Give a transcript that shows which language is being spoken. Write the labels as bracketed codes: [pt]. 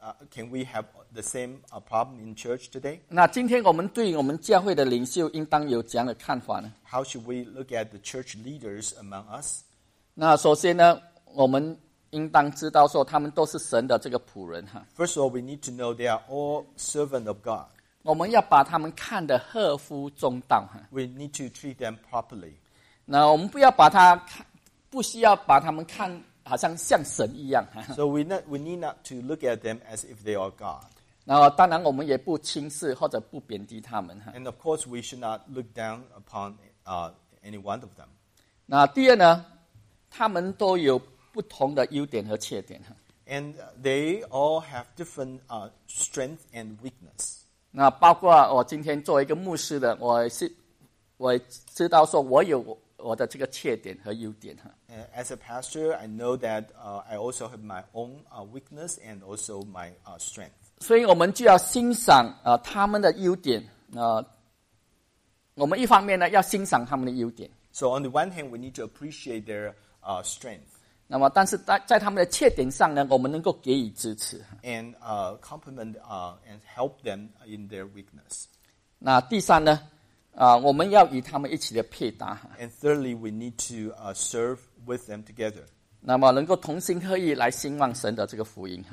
[en] Can we have the same problem in church today? [zh] 那今天我们对我们教会的领袖应当有怎样的看法呢 [en] ？How should we look at the church leaders among us? [zh] 那首先呢，我们应当知道说他们都是神的这个仆人哈。 [en] First of all, we need to know they are all servants of God. [zh] 我们要把他们看得合乎中道。 [en] We need to treat them properly. [zh] 那我们不要把他不需要把他们看好像像神一样。 [en] So we need not to look at them as if they are God. [zh] 那当然我们也不轻视或者不贬低他们。 [en] And of course we should not look down upon any one of them. [zh] 那第二呢，他们都有不同的优点和缺点。 [en] And they all have different strength and weakness. [zh] 那包括我今天作为一个牧师的，我知道说我有我的这个缺点和优点。 [en] As a pastor, I know that I also have my own weakness and also my strength. [zh] 所以我们就要欣赏他们的优点。我们一方面呢要欣赏他们的优点。 [en] So on the one hand, we need to appreciate their strength. [zh] 那么但是在他们的缺点上呢，我们能够给予支持。 [en] And compliment and help them in their weakness. [zh] 那第三呢，我们要与他们一起的配搭。 [en] And thirdly, we need to serve with them together. [zh] 那么能够同心合意来兴旺神的这个福音。